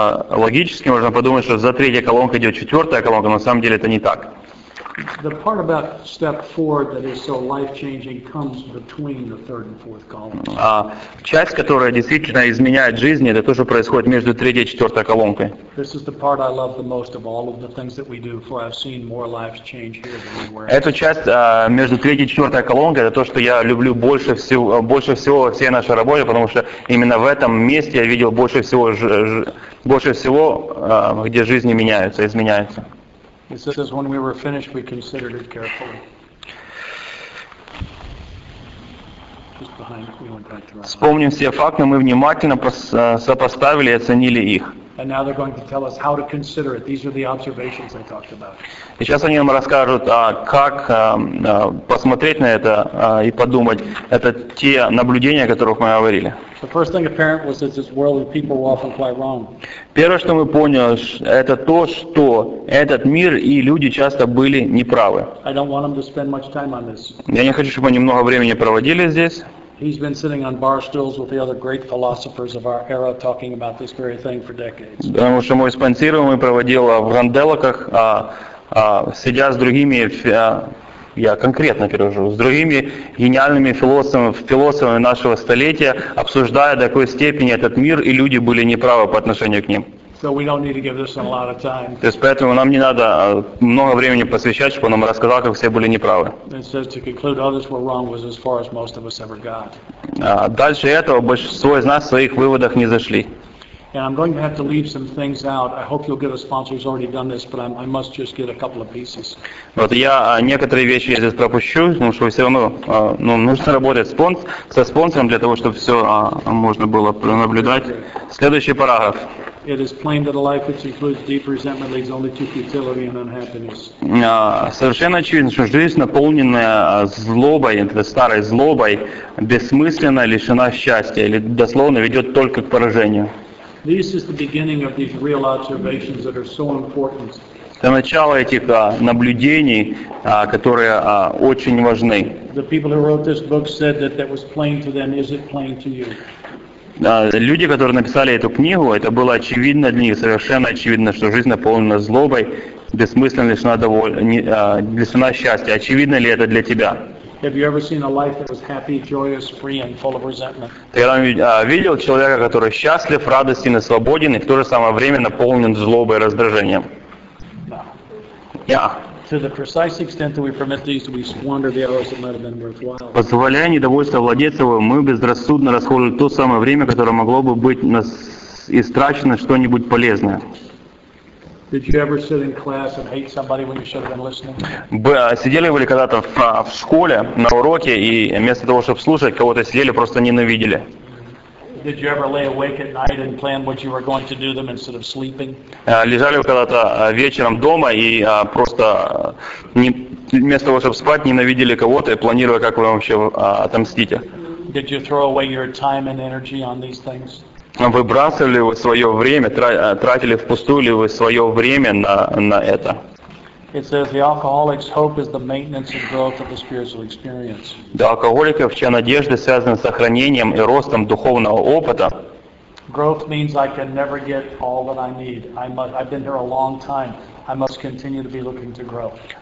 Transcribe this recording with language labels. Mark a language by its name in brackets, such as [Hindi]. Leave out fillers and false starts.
[Russian] Логически можно подумать, что за третьей колонкой идет четвертая колонка, но на самом деле это не так. [English] The part about step 4 that is so life-changing comes between the third and fourth columns. [Russian] Часть, которая действительно изменяет жизнь, это то, что происходит между третьей и четвертой колонкой. [English] This is the part I love the most of all of the things that we do, for I've seen more lives change here than anywhere else. [Russian] Эта часть между третьей и четвертой колонкой, это то, что я люблю больше всего во всей нашей работе, потому что именно в этом месте я видел больше всего, где жизни меняются, изменяются. [English] It says when we were finished, we considered it carefully. Just behind, we went back to our. [Russian] Вспомним все факты, мы внимательно сопоставили и оценили их. [English] And now they're going to tell us how to consider it. These are the observations I talked about. [Russian] И сейчас они нам расскажут, как посмотреть на это и подумать. Это те наблюдения, о которых мы говорили. [English] The first thing apparent was that this world and people were often quite wrong. [Russian] Первое, что мы поняли, это то, что этот мир и люди часто были неправы. [English] I don't want them to spend much time on this. [Russian] Я не хочу, чтобы они много времени проводили здесь. [English] He's been sitting on bar stools with the other great philosophers of our era talking about this very thing for decades. [Russian] Потому что мой спонсируемый проводил в ранделоках, сидя с другими, я конкретно перевожу, с другими гениальными философами нашего столетия, обсуждая до какой степени этот мир и люди были неправы по отношению к ним. [English] So we don't need to give this one a lot of time. [Russian] То есть поэтому нам не надо много времени посвящать, чтобы он нам рассказал, как все были неправы. [English] It says to conclude others were wrong was as far as most of us ever got. [Russian] Дальше этого большинство из нас в своих выводах не зашли. [English] And I'm going to have to leave some things out. I hope you'll get a sponsor who's already done this, but I must just get a couple of pieces. [Russian] Вот я некоторые вещи я здесь пропущу, потому что все равно нужно работать со спонсором для того, чтобы все можно было пронаблюдать. Следующий параграф. [English] It is plain that a life which includes deep resentment leads only to futility and unhappiness. [Russian] Совершенно очевидно, что жизнь, наполненная злобой, этой старой злобой, бессмысленно лишена счастья или дословно ведет только к поражению. [English] This is the beginning of these real observations that are so important. [Russian] Это начало этих наблюдений, которые очень важны. [English] The people who wrote this book said that that was plain to them. Is it plain to you? [Russian] Люди, которые написали эту книгу, это было очевидно для них, совершенно очевидно, что жизнь наполнена злобой, бессмысленно лишена лишена счастья. Очевидно ли это для тебя? [English] Have you ever seen a life that was happy, joyous, free, and full of resentment? [Russian] Ты видел человека, который счастлив, радостен и свободен, и в то же самое время наполнен злобой и раздражением? [English] To the precise extent that we permit these, we squander the hours that might have been worthwhile. [Russian] Позволяя недовольство владеть его, мы безрассудно расходуем то самое время, которое могло бы быть истрачено что-нибудь полезное. [English] Did you ever sit in class and hate somebody when you should have been listening? [Russian] Сидели вы когда-то в школе на уроке и вместо того, чтобы слушать кого-то, сидели просто ненавидели? [English] Did you ever lay awake at night and plan what you were going to do them instead of sleeping? [Russian] Лежали вы когда-то вечером дома и просто вместо того, чтобы спать, ненавидели кого-то и планировали, как вы вообще отомстите? [English] Did you throw away your time and energy on these things? [Russian] Выбрасывали вы свое время, тратили впустую ли вы свое время на это? [English] It says the alcoholic's hope is the maintenance and growth of the spiritual experience. [Russian] Для алкоголиков чья надежда связана с сохранением и ростом духовного опыта. [English] Growth means I can never get all that I need. I've been here a long time. I must continue to be looking to grow.